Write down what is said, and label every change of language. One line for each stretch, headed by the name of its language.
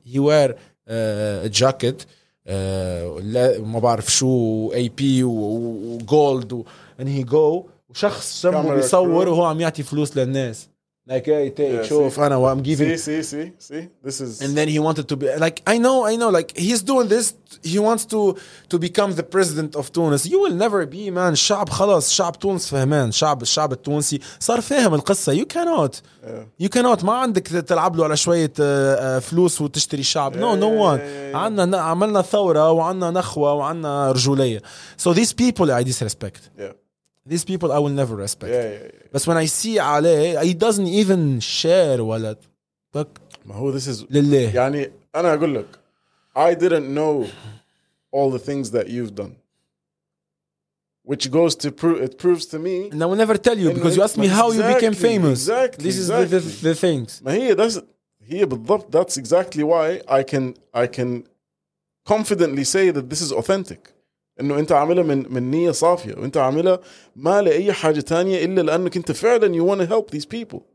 English: He wear a jacket,
Arabic: ما بعرف شو, AP وgold,
English: and he go,
Arabic: شخص سمو بيصور وهو عم يعطي فلوس للناس.
English: Like, hey, take, yeah, show, فانا, what I'm giving. See, this is... And then he wanted to be, like, I know, like, he's doing this, he wants to become the president of Tunis. You will never be, man,
Arabic: شعب خلاص, شعب تونس فهمان, شعب التونسي, صار فاهم القصة,
English: you cannot. Yeah. You cannot,
Arabic: ما عندك تلعب له على شوية فلوس وتشتري شعب.
English: Yeah, no one.
Arabic: عندنا عملنا ثورة وعندنا نخوة وعندنا رجولية.
English: So these people I disrespect. Yeah. These people I will never respect. Yeah, yeah, yeah. But when I see Ali, he doesn't even share walad. But who this is? Lillah.
Arabic: يعني أنا أقول لك,
English: I didn't know all the things that you've done. Which goes to prove, it proves to me. And I will never tell you because you asked me how you became famous. Exactly. This is exactly. The things. That's exactly why I can confidently say that this is authentic.
Arabic: إنه أنت عاملها من نية صافية وأنت عاملها ما لأي حاجة تانية إلا لأنك أنت فعلا
English: you want to help these people.